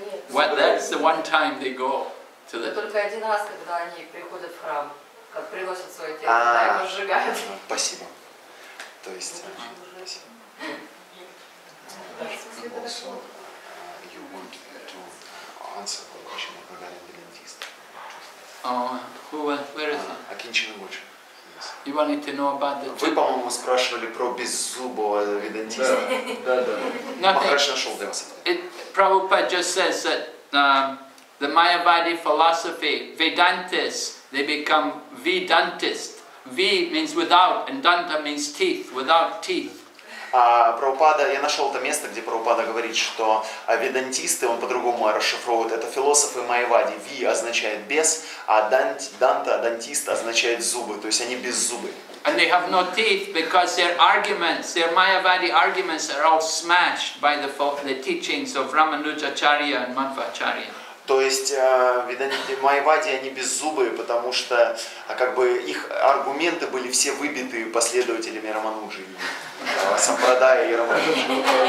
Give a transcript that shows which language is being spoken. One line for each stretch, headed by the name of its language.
English: Well, that's the one time they go to the.
Russian: Только один раз, когда они приходят в храм, как приносят свое тело, когда его сжигают. Спасибо. То есть.
English: Also, you want to answer the question regarding the dentist? Where is it?
Russian: Акинчина Годжи.
English: You wanted to know about the.
Russian: Вы, по-моему, спрашивали про беззубого ведантиста. Да, да. Махарадж нашел для вас ответ.
English: Prabhupada just says that the Mayavadi philosophy, Vedantists, they become Vedantist. V means without, and Danta means teeth, without teeth.
Russian: Прабхупада, я нашел это место, где Прабхупада говорит, что ведантисты, он по-другому расшифровывает, это философы Майявади. Ви означает без, а данта, дантист означает зубы, то есть они без зубы. And they have no teeth because their arguments, their Mayavadi arguments are all smashed by the teachings of Ramanujacharya and Madhvacharya. То есть Майявади они беззубые, потому что как бы их аргументы были все выбиты последователями Рамануджи. Сампрадая и Рамануджи.